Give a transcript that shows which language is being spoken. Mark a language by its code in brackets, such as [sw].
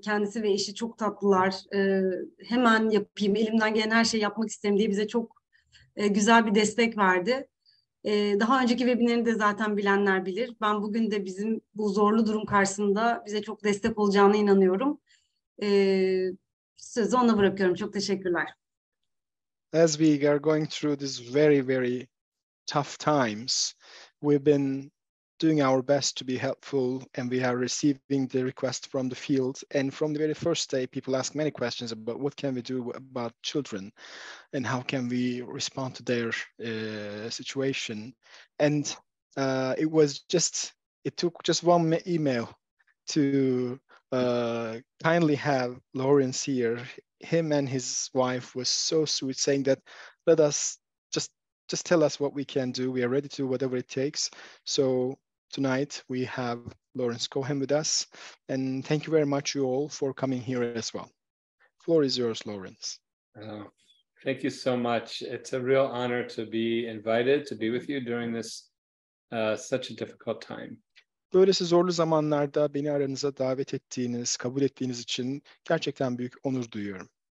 [tr] Kendisi ve eşi çok tatlılar. Hemen yapayım, elimden gelen her şeyi yapmak isterim diye bize çok güzel bir destek verdi. Daha önceki webinarı de zaten bilenler bilir. Ben bugün de bizim bu zorlu durum karşısında bize çok destek olacağına inanıyorum. Sözü ona bırakıyorum. Çok teşekkürler. [en] As we are going through these very, very tough times, we've been doing our best to be helpful, and we are receiving the request from the field. And from the very first day, people ask many questions about what can we do about children and how can we respond to their situation. And it was just, it took just one email to kindly have Lawrence here. Him and his wife was so sweet, saying that let us just tell us what we can do. We are ready to do whatever it takes. So tonight we have Lawrence Cohen with us, and thank you very much, you all, for coming here as well. Floor is yours, Lawrence. Thank you so much. It's a real honor to be invited to be with you during this such a difficult time. [tr] Böylesi zorlu zamanlarda beni aranıza davet ettiğiniz, kabul ettiğiniz için gerçekten büyük onur duyuyorum.